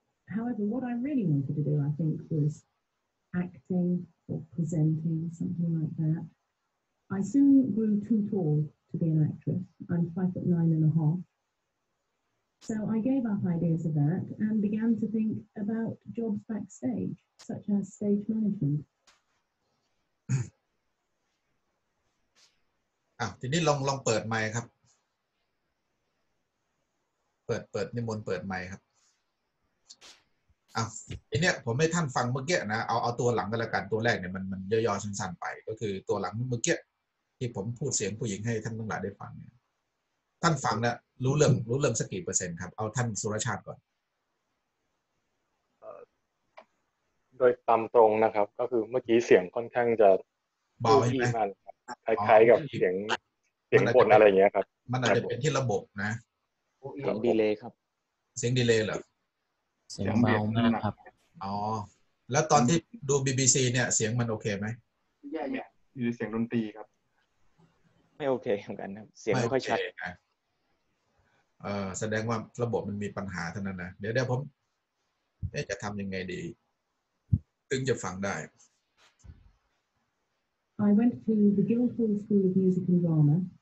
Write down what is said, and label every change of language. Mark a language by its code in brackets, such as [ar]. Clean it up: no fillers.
[en] However, what I really wanted to do, I think, was acting or presenting, something like that. I soon grew too tall. To be an actress. I'm 5'9½. So I gave up ideas of that and began to think about jobs backstage, such as stage management. [th] ทีนี้ลองเปิดไมค์ครับเปิดนิมนต์เปิดไมค์ครับทีเนี้ยผมให้ท่านฟังเมื่อกี้นะเอาตัวหลังก็แล้วกันตัวแรกเนี่ยมันย่อๆสั้นๆไปก็คือตัวหลังเมื่อกี้ที่ผมพูดเสียงผู้หญิงให้ท่านทั้งหลายได้ฟังเนี่ยท่านฟังนะรู้เรื่องสักกี่เปอร์เซ็นต์ครับเอาท่านสุรชาติก่อน โดยตามตรงนะครับก็คือเมื่อกี้เสียงค่อนข้างจะ เบาใช่ไหม คล้ายๆกับเสียงบนอะไรอย่างเงี้ยครับ มันอาจจะเป็นที่ระบบนะ เสียงดีเลย์ครับ เสียงดีเลย์เหรอ เสียงเบามากครับ อ๋อแล้วตอนที่ดู BBC เนี่ยเสียงมันโอเคไหม แย่ๆอยู่เสียงดนตรีครับ ไม่โอเคเหมือนกันครับเสียงไม่ค่อยชัด แสดงว่าระบบมันมีปัญหาเท่านั้นนะเดี๋ยวผมจะทำยังไงดีถึงจะฟังได้ [en] I went to the Guildhall School of Music and Drama